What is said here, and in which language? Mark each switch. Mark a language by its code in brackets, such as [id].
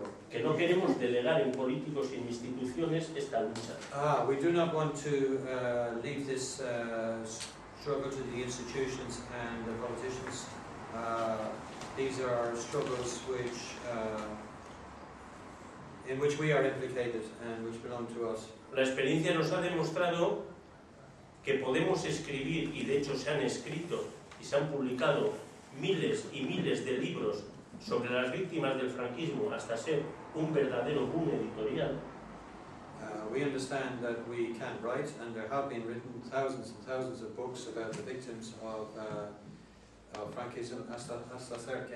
[es] Que no queremos delegar en políticos y en instituciones esta lucha. [en] We do not want to leave this struggle to the institutions and the politicians. These are struggles which in which we are implicated and which belong to us. [es] La experiencia nos ha demostrado que podemos escribir, y de hecho se han escrito y se han publicado miles y miles de libros sobre las víctimas del franquismo hasta ser un verdadero boom editorial. [en] We understand that we can write, and there have been written thousands and thousands of books about the victims of Franquism [es] hasta ser que